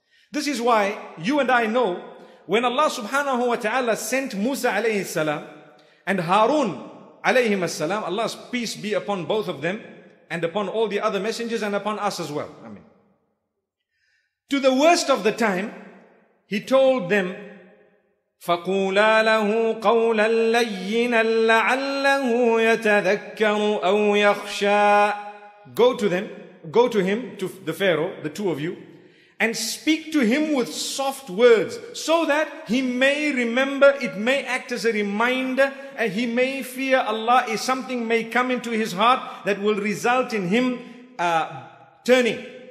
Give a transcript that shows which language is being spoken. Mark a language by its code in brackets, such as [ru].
[en] This is why you and I know, when Allah subhanahu wa ta'ala sent Musa alayhi salam and Harun alayhi salam, Allah's peace be upon both of them and upon all the other messengers and upon us as well. I mean, to the worst of the time, He told them, [ar] فَقُولَا لَهُ قَوْلًا لَيِّنًا لَعَلَّهُ يَتَذَكَّرُ أَوْ يَخْشَى. [en] Go to them, go to him, to the Pharaoh, the two of you, and speak to him with soft words, so that he may remember, it may act as a reminder, and he may fear Allah, if something may come into his heart that will result in him turning.